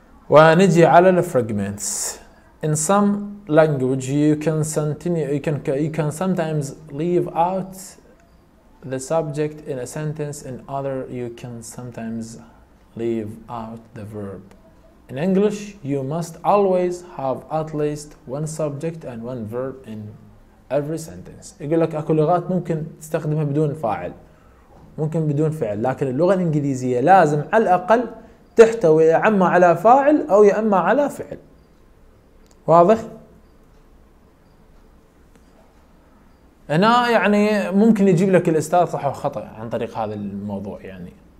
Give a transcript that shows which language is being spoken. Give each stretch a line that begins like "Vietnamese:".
Arabic: ونجي على الفراجمنتس
English: in some language you can sometimes leave out the subject in a sentence in other you can sometimes leave out the verb In English, you must always have at least one subject and one verb in every sentence.
Arabic: يقول لك اكو لغات ممكن تستخدمها بدون فاعل ممكن بدون فعل لكن اللغة الإنجليزية لازم على الأقل تحتوي يا اما على فاعل او يا اما على فعل. واضح؟ هنا يعني ممكن يجيب لك الأستاذ صح وخطأ عن طريق هذا الموضوع يعني.